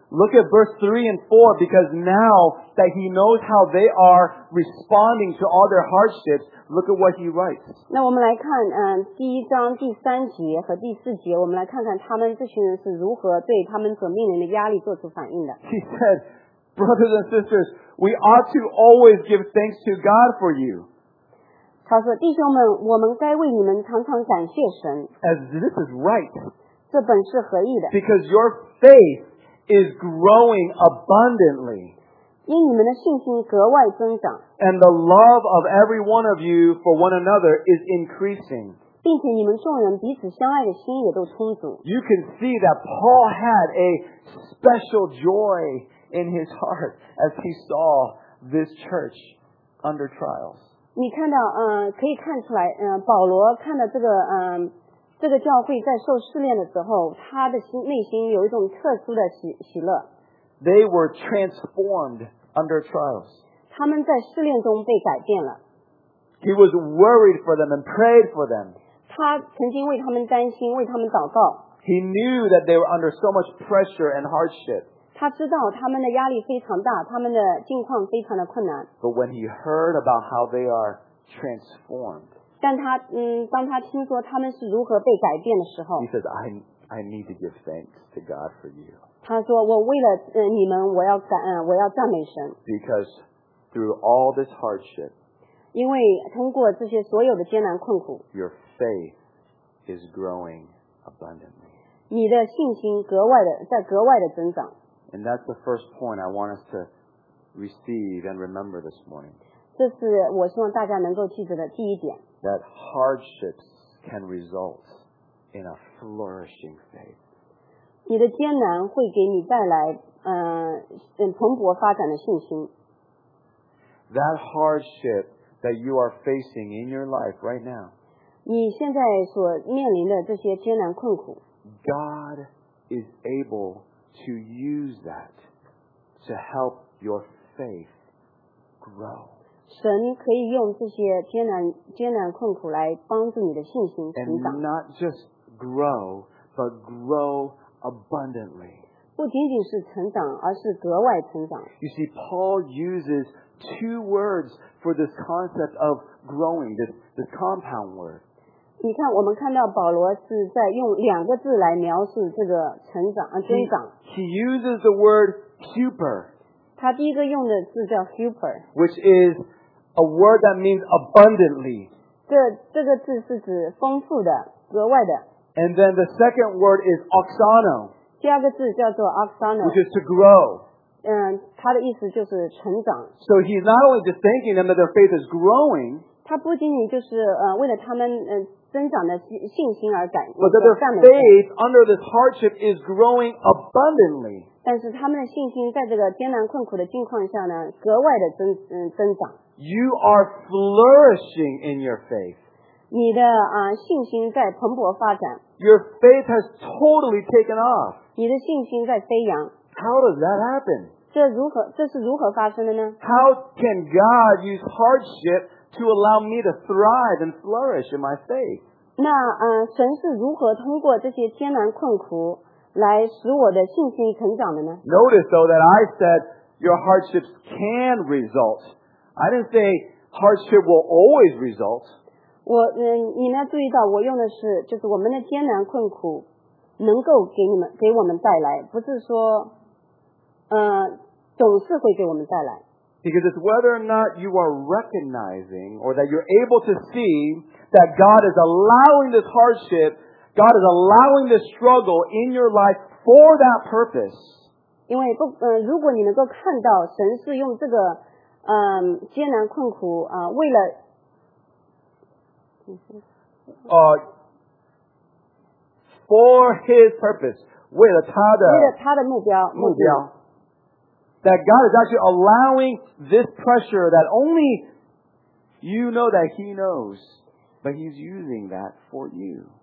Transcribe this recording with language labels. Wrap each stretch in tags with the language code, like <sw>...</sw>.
<en>Look at verse 3 and 4, because now that he knows how they are responding to all their hardships, look at what he writes.</en> <zh>那我们来看第一章第三节和第四节，我们来看看他们这群人是如何对他们所面临的压力做出反应的。</zh> <en>He said, brothers and sisters, we ought to always give thanks to God for you.</en> <zh>他说弟兄们，我们该为你们常常感谢神。</zh> <en>As this is right.</en> <zh>这本是合意的。</zh> <en>Because your faith is growing abundantly.</en> <zh>因你们的信心格外增长。</zh> <en>And the love of every one of you for one another is increasing.</en> <zh>并且你们众人彼此相爱的心也都充足。</zh> <en>You can see that Paul had a special joy in his heart as he saw this church under trials.</en> <zh>你看到可以看出来保罗看到这个教会在受试炼的时候，他的内心有一种特殊的喜乐。</zh> <en>They were transformed under trials.</en> <zh>他们在试炼中被改变了。</zh> <en>He was worried for them and prayed for them.</en> <zh>他曾经为他们担心，为他们祷告。</zh> <en>He knew that they were under so much pressure and hardship.</en> <zh>他知道他们的压力非常大，他们的境况非常的困难。</zh> <en>But when he heard about how they are transformed,</en> <zh>但他当他听说他们是如何被改变的时候</zh> <en>，He says, "I need to give thanks to God for you."</en> <zh>他说我为了你们，我要赞美神。</zh> <en>Because through all this hardship,</en> <zh>因为通过这些所有的艰难困苦</zh> <en>，Your faith is growing abundantly.</en> <zh>你的信心格外的增长。</zh> <en>And that's the first point I want us to receive and remember this morning.</en> <zh>这是我希望大家能够记住的第一点。</zh> <en>That hardships can result in a flourishing faith.</en> <zh>你的艰难会给你带来蓬勃发展的信心。</zh> <en>That hardship that you are facing in your life right now.</en> <zh>你现在所面临的这些艰难困苦。</zh> <en>God is able to use that to help your faith grow.</en> <zh>神可以用这些艰难困苦来帮助你的信心成长。</zh> <en>And not just grow, but grow abundantly.</en> <zh>不仅仅是成长，而是格外成长。</zh> <en>You see, Paul uses two words for this concept of growing, this compound word.</en> <zh>你看，我们看到保罗是在用两个字来描述这个成长啊增长。</zh> <en>He uses the word super.</en> <zh>他第一个用的字叫 super,</zh> <en>which is a word that means abundantly.</en> <zh>这个字是指丰富的、格外的。</zh> <en>And then the second word is oxano.</en> <zh>第二个字叫做 oxano,</zh> <en>which is to grow.</en> <zh>他的意思就是成长。</zh> <en>So he's not only just thanking them that their faith is growing.</en> <zh>他不仅仅就是为了他们增长的信心而感恩。</zh> <en>But their faith under this hardship is growing abundantly.</en> <zh>但是他们的信心在这个艰难困苦的境况下呢，格外的增长。</zh> <en>You are flourishing in your faith.</en> <zh>你的信心在蓬勃发展。</zh> <en>Your faith has totally taken off.</en> <zh>你的信心在飞扬。</zh> <en>How does that happen?</en> <zh>这是如何发生的呢？</zh> <en>How can God use hardship? To allow me to thrive and flourish in my faith.</en> <zh>那神是如何通过这些艰难困苦来使我的信心成长的呢？</zh> <en>Notice though that I said your hardships can result. I didn't say hardship will always result.</en> <zh>你呢注意到我用的是就是我们的艰难困苦能够给我们带来，不是说总是会给我们带来。</zh> <en>Because it's whether or not you are recognizing or that you're able to see that God is allowing this hardship, God is allowing this struggle in your life for that purpose.</en> <zh>因为不如果你能够看到神是用这个艰难困苦为了</zh> <en>for his purpose,</en> <zh>为了他的目标。</zh> <en>That God is actually allowing this pressure that only you know that He knows, but He's using that for you.</en>